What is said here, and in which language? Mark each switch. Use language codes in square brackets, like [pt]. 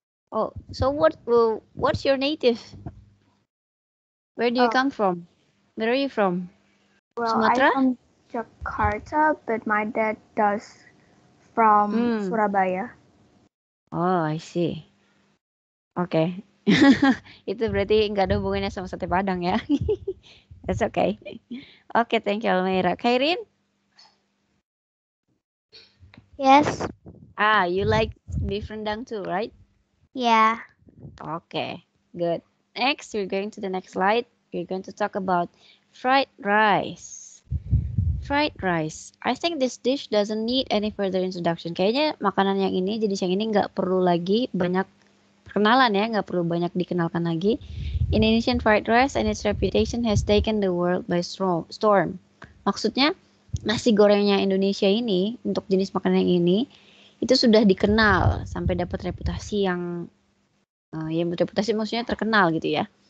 [en] Oh, so what's your native? Where do you come from? Where are you from? Well, Sumatra? I'm from Jakarta, but my dad does from Surabaya. Oh, I see. Okay. [id] Itu berarti enggak ada hubungannya sama sate Padang ya. [en] That's okay. Okay, thank you, Almaira. Kairin? Yes. Ah, you like beef rendang too, right? Yeah. Okay, good. Next, we're going to the next slide. We're going to talk about fried rice. Fried rice. I think this dish doesn't need any further introduction. [id] Kayaknya makanan yang ini, jenis yang ini enggak perlu lagi banyak kenalan ya, nggak perlu banyak dikenalkan lagi. [en] Indonesian fried rice and its reputation has taken the world by storm. [id] Maksudnya, nasi gorengnya Indonesia ini, untuk jenis makanan ini, itu sudah dikenal sampai dapat reputasi yang, ya reputasi maksudnya terkenal gitu ya.